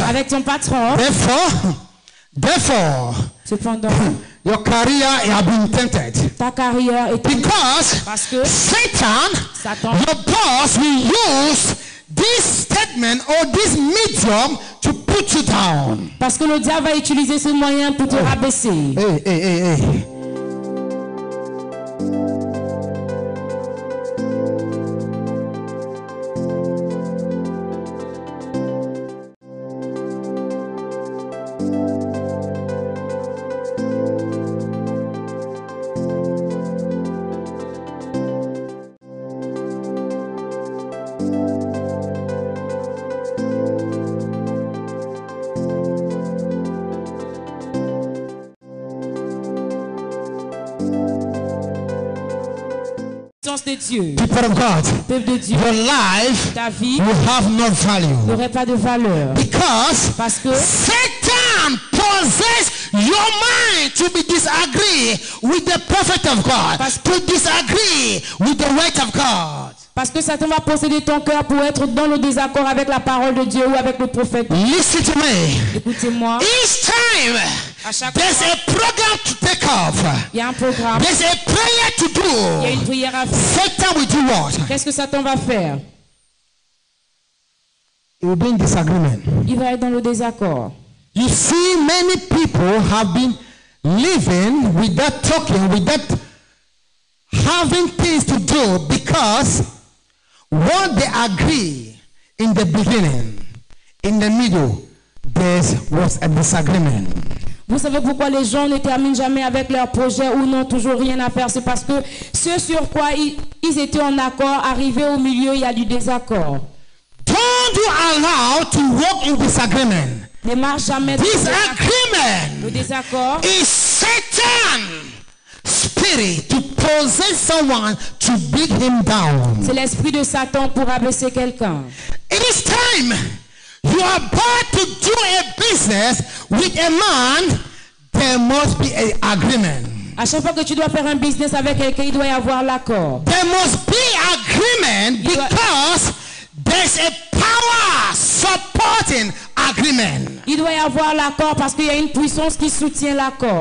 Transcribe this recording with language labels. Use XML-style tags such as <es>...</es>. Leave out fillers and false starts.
<fr>avec ton patron,</fr> <en>therefore,</en> <fr>cependant,</fr> <en>your career has been tainted.</en> <fr>Ta carrière est</fr> <en>because</en> <fr>parce que</fr> <en>Satan, your boss, will use this statement or this medium to put you down.</en> <fr>Parce que le diable va utiliser ce moyen pour te rabaisser.</fr> <en>Hey. People of God, your life,</en> <fr>ta vie,</fr> <en>will have no value.</en> <fr>N'aurait pas de valeur.</fr> <en>Because</en> <fr>parce que</fr> <en>Satan possesses your mind to be disagree with the prophet of God, to disagree with the word of God.</en> <fr>Parce que Satan va posséder ton cœur pour être dans le désaccord avec la parole de Dieu ou avec le prophète.</fr> <en>Listen to me.</en> <fr>Écoutez-moi.</fr> <en>Each time. There's a program to take off.</en> <fr>Il y a un programme.</fr> <en>There's a prayer to do.</en> <fr>Il y a une prière à faire.</fr> <en>Satan will do what?</en> <fr>Qu'est-ce que Satan va faire?</fr> <en>It will be in disagreement.</en> <fr>Il va être dans le désaccord.</fr> <en>You see, many people have been living without talking, without having things to do because what they agree in the beginning, in the middle, there was a disagreement.</en> <fr>Vous savez pourquoi les gens ne terminent jamais avec leurs projets ou n'ont toujours rien à faire? C'est parce que ce sur quoi ils étaient en accord, arrivé au milieu, il y a du désaccord.</fr> <en>Don't you allow to walk in disagreement.</en> <fr>Ne marche jamais dans le désaccord. Le désaccord</fr> <en>is Satan. Spirit to possess someone to beat him down.</en> <fr>C'est l'esprit de Satan pour abaisser quelqu'un.</fr> <en>It is time. You are about to do a business with a man, there must be an agreement.</en> <fr>À chaque fois que tu dois faire un business avec quelqu'un, il doit y avoir l'accord.</fr> <en>There must be agreement because there's a power supporting agreement.</en> <fr>Il doit y avoir l'accord parce qu'il y a une puissance qui soutient l'accord.</fr>